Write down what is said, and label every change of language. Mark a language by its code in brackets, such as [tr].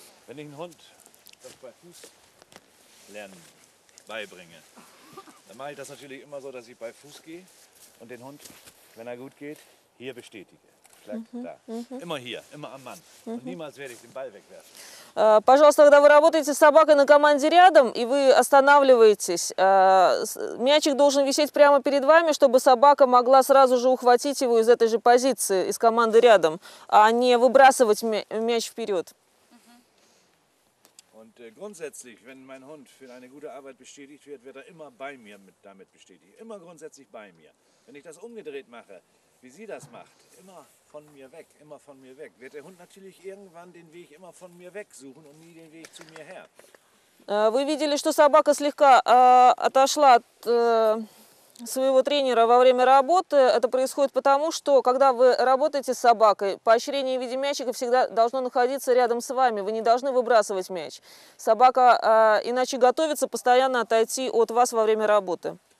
[de] Wenn ich einen Hund das bei Fuß lernen beibringe, dann mache ich das natürlich immer so, dass ich bei Fuß gehe und den Hund, wenn er gut geht, hier bestätige. Vielleicht da. Immer hier, immer am Mann. Und niemals werde ich den Ball wegwerfen. [ru] Пожалуйста, когда вы работаете с собакой на команде рядом, и вы останавливаетесь, мячик должен висеть прямо перед вами, чтобы собака могла сразу же ухватить его из этой же позиции, из команды рядом, а не выбрасывать мяч вперед. [de] Grundsätzlich, wenn mein Hund für eine gute Arbeit bestätigt wird, wird er immer bei mir damit bestätigt. Immer grundsätzlich bei mir. Wenn ich das umgedreht mache, wie sie das macht, immer von mir weg, immer von mir weg, wird der Hund natürlich irgendwann den Weg immer von mir weg suchen und nie den Weg zu mir her. [ru] Вы видели, что собака слегка отошла от своего тренера во время работы. Это происходит потому, что когда вы работаете с собакой, поощрение в виде мячика всегда должно находиться рядом с вами. Вы не должны выбрасывать мяч. Собака иначе готовится постоянно отойти от вас во время работы.